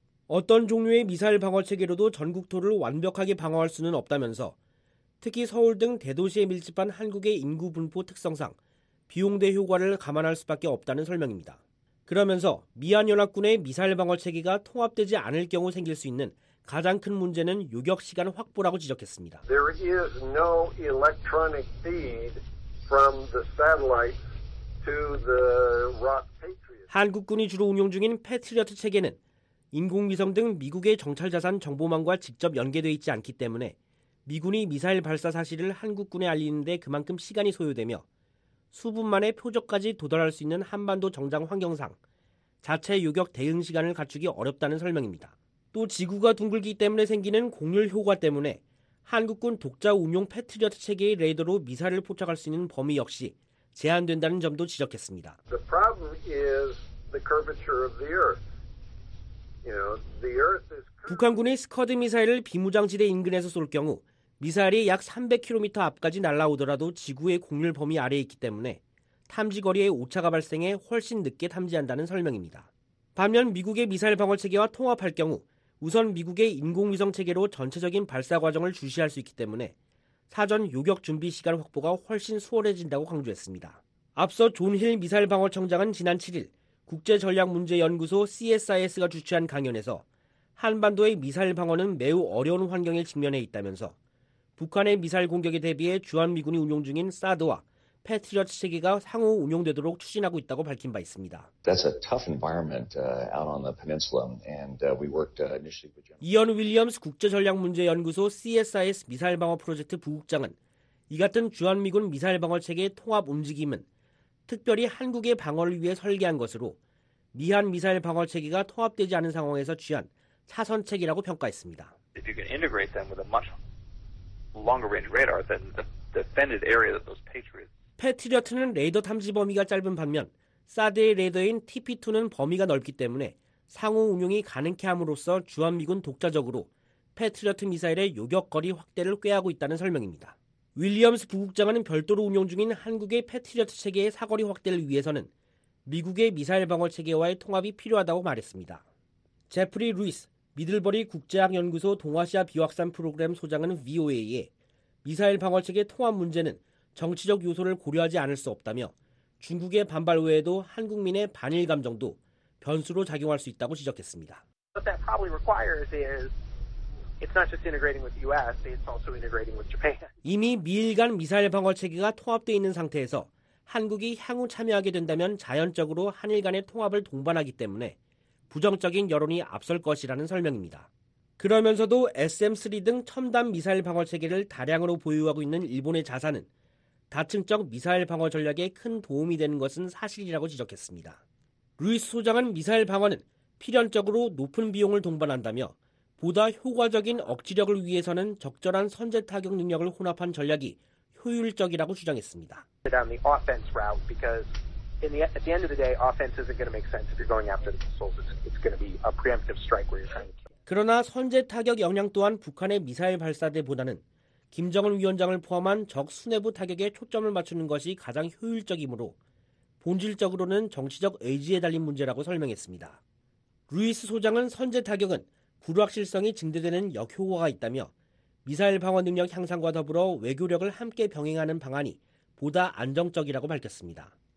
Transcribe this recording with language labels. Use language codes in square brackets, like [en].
[ko] 어떤 종류의 미사일 방어 체계로도 전국토를 완벽하게 방어할 수는 없다면서 특히 서울 등 대도시에 밀집한 한국의 인구 분포 특성상 비용 대 효과를 감안할 수밖에 없다는 설명입니다. 그러면서 미한연합군의 미사일 방어 체계가 통합되지 않을 경우 생길 수 있는 가장 큰 문제는 요격 시간 확보라고 지적했습니다. [en] There is no electronic feed from the satellite to the rock Patriot. [ko] 한국군이 주로 운용 중인 패트리어트 체계는 인공위성 등 미국의 정찰자산 정보망과 직접 연계되어 있지 않기 때문에 미군이 미사일 발사 사실을 한국군에 알리는데 그만큼 시간이 소요되며 수분 만에 표적까지 도달할 수 있는 한반도 정장 환경상 자체 요격 대응 시간을 갖추기 어렵다는 설명입니다. 또 지구가 둥글기 때문에 생기는 곡률 효과 때문에 한국군 독자 운용 패트리어트 체계의 레이더로 미사일을 포착할 수 있는 범위 역시 제한된다는 점도 지적했습니다. [en] The problem is the curvature of the earth. The earth is [ko] 북한군이 스커드 미사일을 비무장지대 인근에서 쏠 경우 미사일이 약 300km 앞까지 날아오더라도 지구의 곡률 범위 아래에 있기 때문에 탐지 거리에 오차가 발생해 훨씬 늦게 탐지한다는 설명입니다. 반면 미국의 미사일 방어 체계와 통합할 경우 우선 미국의 인공위성 체계로 전체적인 발사 과정을 주시할 수 있기 때문에 사전 요격 준비 시간 확보가 훨씬 수월해진다고 강조했습니다. 앞서 존 힐 미사일 방어청장은 지난 7일 국제전략문제연구소 CSIS가 주최한 강연에서 한반도의 미사일 방어는 매우 어려운 환경에 직면해 있다면서 북한의 미사일 공격에 대비해 주한미군이 운용 중인 사드와 패트리어트 체계가 상호 운용되도록 추진하고 있다고 밝힌 바 있습니다. [en] That's a tough environment out on the peninsula and we worked initially with [ko] 이언 윌리엄스 국제전략문제연구소 CSIS 미사일 방어 프로젝트 부국장은 이 같은 주한미군 미사일 방어 체계의 통합 움직임은 특별히 한국의 방어를 위해 설계한 것으로 미한 미사일 방어 체계가 통합되지 않은 상황에서 취한 차선책이라고 평가했습니다. [en] If you can integrate them with a much longer range radar than the defended area that those Patriots [ko] 패트리어트는 레이더 탐지 범위가 짧은 반면 사드의 레이더인 TP2는 범위가 넓기 때문에 상호 운용이 가능케 함으로써 주한미군 독자적으로 패트리어트 미사일의 요격거리 확대를 꾀하고 있다는 설명입니다. 윌리엄스 부국장은 별도로 운용 중인 한국의 패트리어트 체계의 사거리 확대를 위해서는 미국의 미사일 방어 체계와의 통합이 필요하다고 말했습니다. 제프리 루이스, 미들버리 국제학연구소 동아시아 비확산 프로그램 소장은 VOA에 미사일 방어 체계 통합 문제는 정치적 요소를 고려하지 않을 수 없다며 중국의 반발 외에도 한국민의 반일 감정도 변수로 작용할 수 있다고 지적했습니다. [en] What that probably requires is it's not just integrating with the US, it's also integrating with Japan. [ko] 이미 미일 간 미사일 방어 체계가 통합돼 있는 상태에서 한국이 향후 참여하게 된다면 자연적으로 한일 간의 통합을 동반하기 때문에 부정적인 여론이 앞설 것이라는 설명입니다. 그러면서도 SM-3 등 첨단 미사일 방어 체계를 다량으로 보유하고 있는 일본의 자산은 다층적 미사일 방어 전략에 큰 도움이 되는 것은 사실이라고 지적했습니다. 루이스 소장은 미사일 방어는 필연적으로 높은 비용을 동반한다며 보다 효과적인 억지력을 위해서는 적절한 선제 타격 능력을 혼합한 전략이 효율적이라고 주장했습니다. [en] On the offense route because in the at the end of the day offense isn't going to make sense if you're going after the missiles. It's going to be a preemptive strike where you're trying to kill. [ko] 그러나 선제 타격 역량 또한 북한의 미사일 발사대보다는 김정은 위원장을 포함한 적 수뇌부 타격에 초점을 맞추는 것이 가장 효율적이므로 본질적으로는 정치적 의지에 달린 문제라고 설명했습니다. 루이스 소장은 선제 타격은 불확실성이 증대되는 역효과가 있다며 미사일 방어 능력 향상과 더불어 외교력을 함께 병행하는 방안이 보다 안정적이라고 밝혔습니다.